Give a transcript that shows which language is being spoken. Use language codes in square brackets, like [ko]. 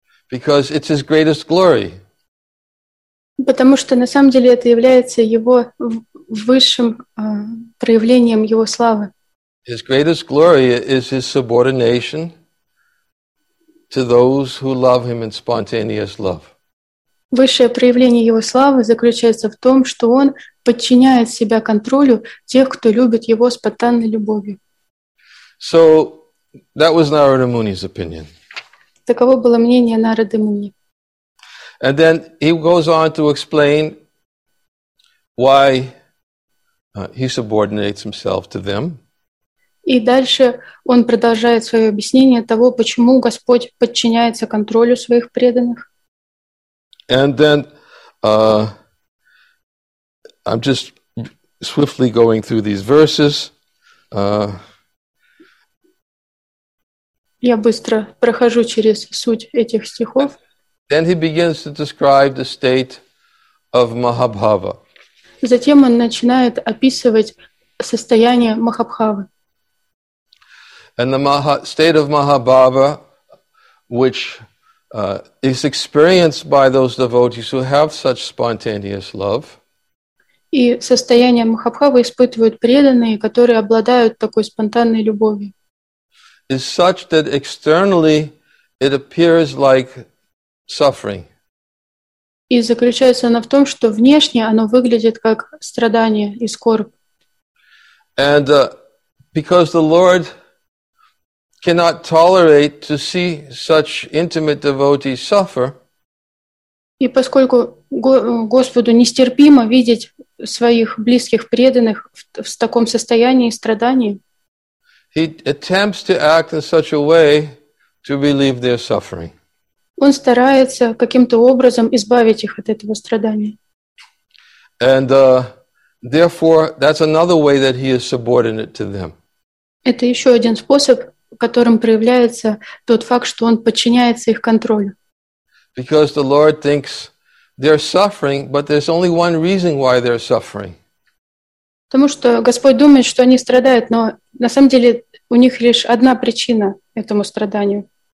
[en] Because it's his greatest glory. [ru] Потому что на самом деле это является его высшим проявлением его славы. [en] His greatest glory is his subordination to those who love him in spontaneous love. [ru] Высшее проявление его славы заключается в том, что он подчиняет себя контролю тех, кто любит его спонтанной любовью. [en] So that was Narada Muni's opinion. [ru] Таково было мнение Нарады Муни. [en] And then he goes on to explain why he subordinates himself to them. [ru] И дальше он продолжает свое объяснение того, почему Господь подчиняется контролю своих преданных. [en] And then I'm just swiftly going through these verses. [ru] Я быстро прохожу через суть этих стихов. [en] Then he begins to describe the state of Mahabhava. [ru] Затем он начинает описывать состояние Махабхавы. [en] And the state of Mahabhava, which is experienced by those devotees who have such spontaneous love. [ru] И состояние Махабхавы испытывают преданные, которые обладают такой спонтанной любовью. [en] Is such that externally it appears like suffering. [ru] И заключается она в том, что внешне оно выглядит как страдание и скорбь. [en] And because the Lord cannot tolerate to see such intimate devotees suffer. [ru] И поскольку Господу нестерпимо видеть своих близких преданных в таком состоянии страданий. [en] He attempts to act in such a way to relieve their suffering. [ru] Он старается каким-то образом избавить их от этого страдания. [en] And therefore, that's another way that he is subordinate to them. [ru] Это еще один способ, которым проявляется тот факт, что он подчиняется их контролю. [en] Because the Lord thinks they're suffering, but there's only one reason why they're suffering. [ru] Потому что Господь думает, что они страдают, но на самом деле у них лишь одна причина этому страданию.